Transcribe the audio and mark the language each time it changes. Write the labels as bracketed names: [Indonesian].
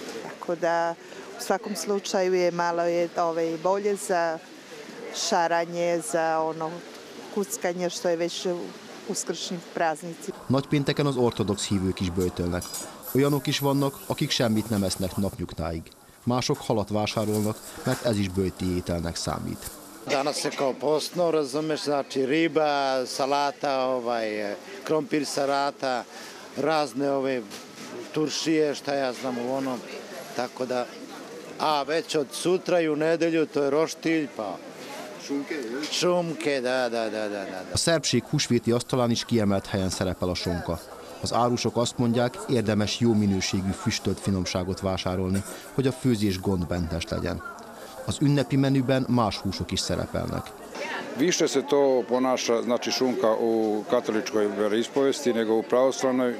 [Serbian] Tako da u svakom slučaju je malo je ove bolje za šaranje, za ono kuckanje što je već u skršnjim praznici. [Hungarian] Nagypénteken az ortodox hívők is böjtölnek. Olyanok is vannak, akik semmit nem esznek napnyugtáig. Mások halat vásárolnak, mert ez is böjti ételnek számít. [Serbian] Danas je kao postno, razumeš, znači riba, salata, krompir salata, razne ove turšije, šta ja znam u onom, tako da, a već od sutra i u nedelju to je roštilj, pa šunke, da. [Hungarian] A szerbség húsvéti asztalán is kiemelt helyen szerepel a sonka. Az árusok azt mondják, érdemes jó minőségű füstölt finomságot vásárolni, hogy a főzés gondmentes legyen. Az ünnepi menüben más húsok is szerepelnek. [Serbian] Više se to ponaša, znači šunka u katoličkoj veroispovesti nego u pravoslavnoj.